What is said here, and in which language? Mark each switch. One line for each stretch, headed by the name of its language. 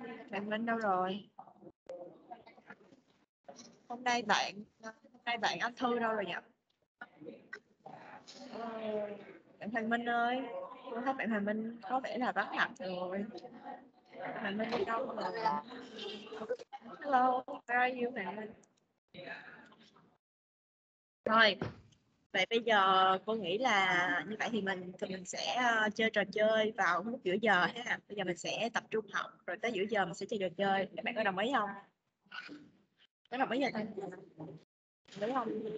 Vietnamese: Bạn Minh đâu rồi? Hôm nay bạn Anh Thư đâu rồi nhỉ? Bạn Hoàng Minh ơi, tôi thấy bạn Hoàng Minh có vẻ là vắng mặt rồi. Hoàng Minh đi đâu rồi?
English: Hello, where are you, bạn Minh?
Vietnamese: Rồi, vậy bây giờ cô nghĩ là như vậy thì mình sẽ chơi trò chơi vào lúc giữa giờ ha. Bây giờ mình sẽ tập trung học rồi tới giữa giờ mình sẽ chơi trò chơi. Các bạn có đồng ý không? Các bạn mấy giờ thôi? Đúng không?